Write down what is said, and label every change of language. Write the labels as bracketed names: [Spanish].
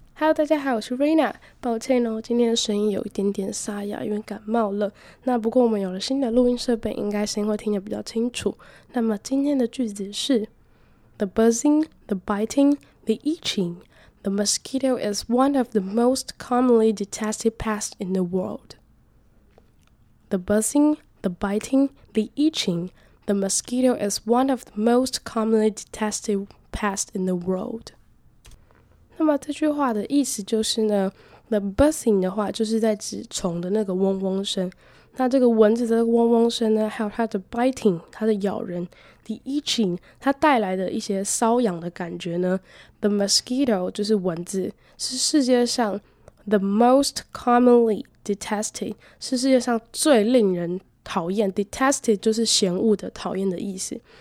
[Chinese] Hello，大家好，我是 Raina。抱歉哦，今天的声音有一点点沙哑，因为感冒了。那不过我们有了新的录音设备，应该声音会听得比较清楚。那么今天的句子是 [English] The buzzing, the biting, the itching. The mosquito is one of the most commonly detested pests in the world. The buzzing, the biting, the itching. The mosquito is one of the most commonly detested pests in the world. [Chinese] 那么这句话的意思就是呢 ， [English] the buzzing [Chinese] 的话就是在指虫的那个嗡嗡声。那这个蚊子的嗡嗡声呢，还有它的 biting， 它的咬人 ，the itching， 它带来的一些瘙痒的感觉呢 ，the mosquito 就是蚊子，是世界上 [English] the most commonly detested， [Chinese] 是世界上最令人讨厌 ，detested 就是嫌恶的、讨厌的意思。